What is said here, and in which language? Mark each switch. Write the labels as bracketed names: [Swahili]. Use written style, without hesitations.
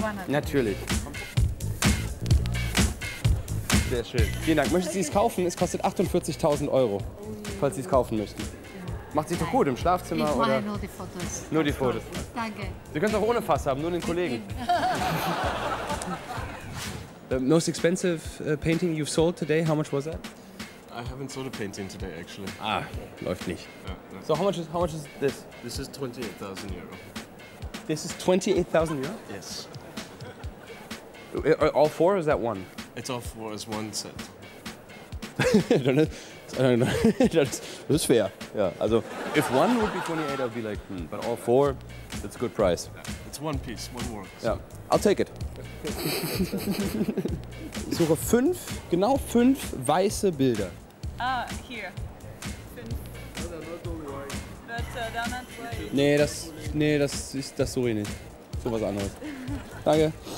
[German] Ja, aber natürlich. Sehr schön. Vielen Dank. Möchten Sie es kaufen? Es kostet 48.000 Euro, falls Sie es kaufen möchten. Macht sich doch gut im Schlafzimmer. Ich mache oder? Nur die Fotos. Nur die Fotos. Danke. Sie können es auch ohne Fass haben, nur den Kollegen. [English] The most expensive painting you've sold today, how much was that? I haven't sold a painting today, actually. [German] Ah, läuft nicht. [English] So how much is this? This is 28.000 Euro. This is 28.000 Euro? Yes. All four or is that one? It's all four as one set. That's fair. Yeah. Also, if one would be 28, I'd be like, but all four, that's a good price. Yeah. It's one piece, one work. So. Yeah, I'll take it. [German] Ich suche fünf, genau fünf weiße Bilder. Ah, hier. Fünf. Nee, das suche ich nicht. So was anderes. Danke.